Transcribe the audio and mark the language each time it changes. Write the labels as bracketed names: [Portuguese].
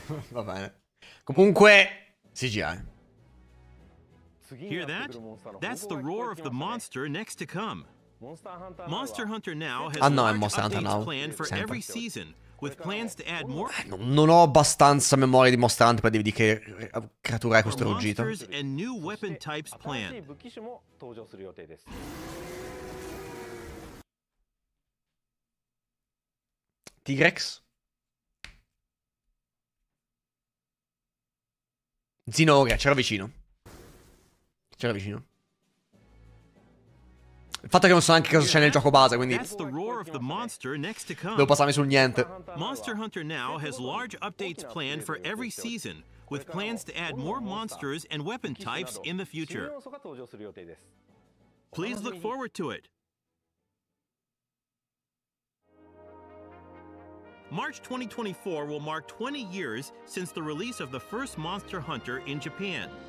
[Italian] Va bene. Comunque, CGI. [English] Hear that? That's the roar of the monster next to come. Monster Hunter Now has Monster Hunter Now planned for every season, with plans to add more. [Italian] Non ho abbastanza memoria di Monster Hunter per dire che creatura è questo ruggito. [English] And new weapon types planned. T-Rex. [Italian] Zinoga, c'era vicino. C'era vicino. Il fatto è che non so neanche cosa c'è nel gioco base, quindi devo passarmi sul niente. [English] Monster Hunter Now has large updates planned for every season, with plans to add more monsters and weapon types in the future. Please look forward to it. March 2024 will mark 20 years since the release of the first Monster Hunter in Japan.